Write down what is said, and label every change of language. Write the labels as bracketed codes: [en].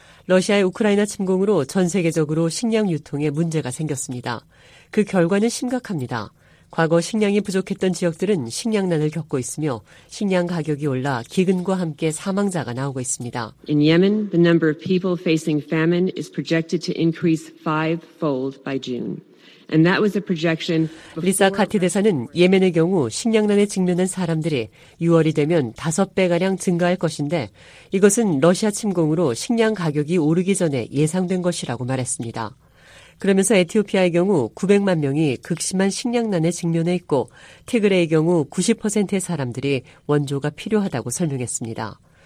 [ko] 러시아의 우크라이나 침공으로 전 세계적으로 식량 유통에 문제가 생겼습니다. 그 결과는 심각합니다. 과거 식량이 부족했던 지역들은 식량난을 겪고 있으며 식량 가격이 올라 기근과 함께 사망자가 나오고 있습니다. [en] In Yemen, the number of people facing famine is projected to increase fivefold by June. And that was a projection. [ko] 리사 카티 대사는 예멘의 경우 식량난에 직면한 사람들이 6월이 되면 5배가량 증가할 것인데 이것은 러시아 침공으로 식량 가격이 오르기 전에 예상된 것이라고 말했습니다. 그러면서 에티오피아의 경우 900만 명이 극심한 식량난에 직면해 있고 티그레의 경우 90%의 사람들이 원조가 필요하다고 설명했습니다.